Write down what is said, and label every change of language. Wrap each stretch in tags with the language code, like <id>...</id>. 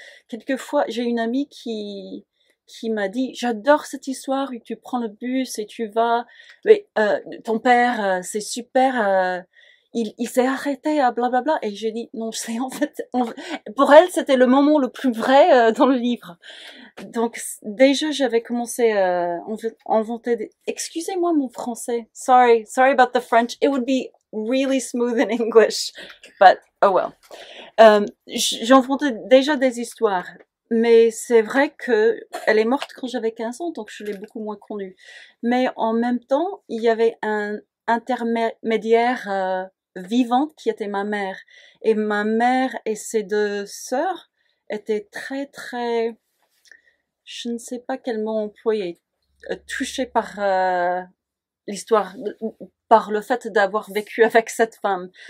<fr>Quelquefois, j'ai une amie qui m'a dit, j'adore cette histoire où tu prends le bus et tu vas, mais ton père, c'est super, il s'est arrêté à blablabla. Et j'ai dit, non, c'est en fait, pour elle, c'était le moment le plus vrai dans le livre. Donc, déjà, j'avais commencé à inventer des... Excusez-moi mon français.</fr> <en>Sorry about the French. It would be really smooth in English. But, oh well.</en> <fr>J'inventais déjà des histoires. Mais c'est vrai que elle est morte quand j'avais 15 ans, donc je l'ai beaucoup moins connue. Mais en même temps, il y avait un intermédiaire vivante qui était ma mère. Et ma mère et ses deux sœurs étaient très, très, je ne sais pas quel mot employer, touchées par l'histoire, par le fait d'avoir vécu avec cette femme.</fr>